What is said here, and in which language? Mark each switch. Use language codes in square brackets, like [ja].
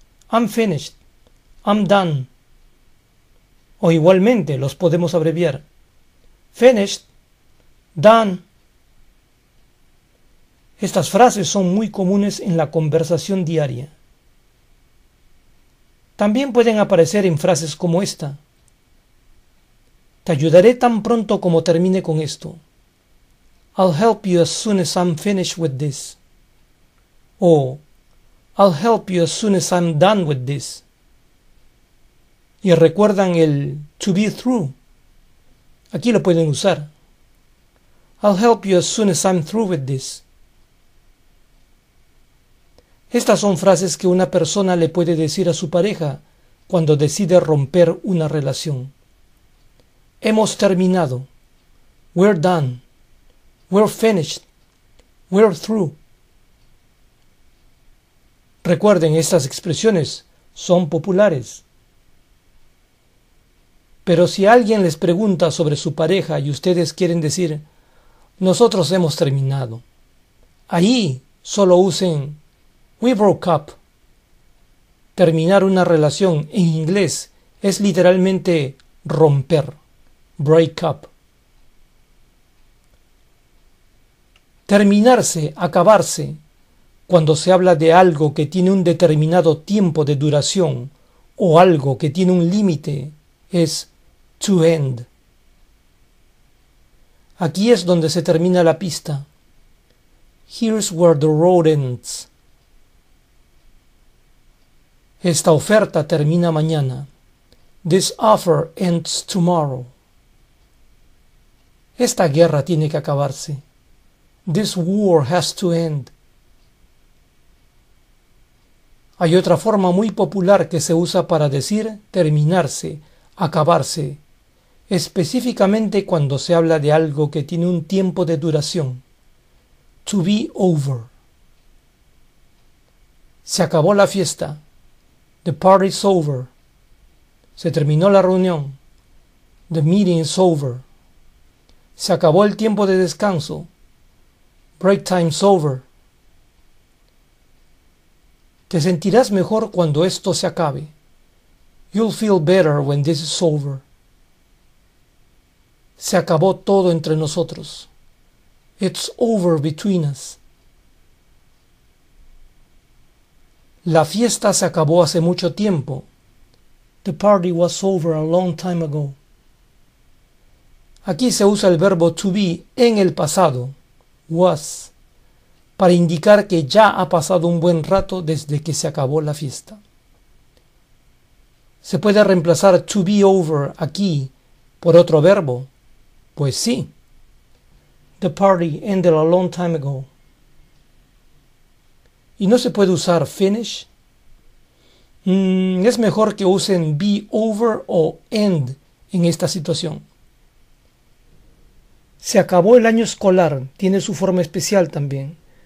[en] I'm finished. I'm done. [es] O igualmente los podemos abreviar. [en] Finished. Done. [es] Estas frases son muy comunes en la conversación diaria. También pueden aparecer en frases como esta. Te ayudaré tan pronto como termine con esto. [en] I'll help you as soon as I'm finished with this. O I'll help you as soon as I'm done with this. [es] Y recuerdan el to be through. Aquí lo pueden usar. [en] I'll help you as soon as I'm through with this. [es] Estas son frases que una persona le puede decir a su pareja cuando decide romper una relación. Hemos terminado. [en] We're done. We're finished. We're through. [es] Recuerden, estas expresiones son populares. Pero si alguien les pregunta sobre su pareja y ustedes quieren decir, nosotros hemos terminado, ahí solo usen [en] we broke up. [es] Terminar una relación en inglés es literalmente romper, break up. Terminarse, acabarse, cuando se habla de algo que tiene un determinado tiempo de duración o algo que tiene un límite, es to end. Aquí es donde se termina la pista. [en] Here's where the road ends. [es] Esta oferta termina mañana. [en] This offer ends tomorrow. [es] Esta guerra tiene que acabarse. [en] This war has to end. [es] Hay otra forma muy popular que se usa para decir terminarse, acabarse, específicamente cuando se habla de algo que tiene un tiempo de duración. [en] To be over. [es] Se acabó la fiesta. [en] The party's over. [es] Se terminó la reunión. [en] The meeting is over. [es] Se acabó el tiempo de descanso. [en] Break time's over. [es] Te sentirás mejor cuando esto se acabe. [en] You'll feel better when this is over. [es] Se acabó todo entre nosotros. [en] It's over between us. [es] La fiesta se acabó hace mucho tiempo. [en] The party was over a long time ago. [es] Aquí se usa el verbo to be en el pasado, was, para indicar que ya ha pasado un buen rato desde que se acabó la fiesta. ¿Se puede reemplazar to be over aquí por otro verbo? Pues sí. [en] The party ended a long time ago. [es] ¿Y no se puede usar finish? Es mejor que usen be over o end en esta situación. Se acabó el año escolar, tiene su forma especial también.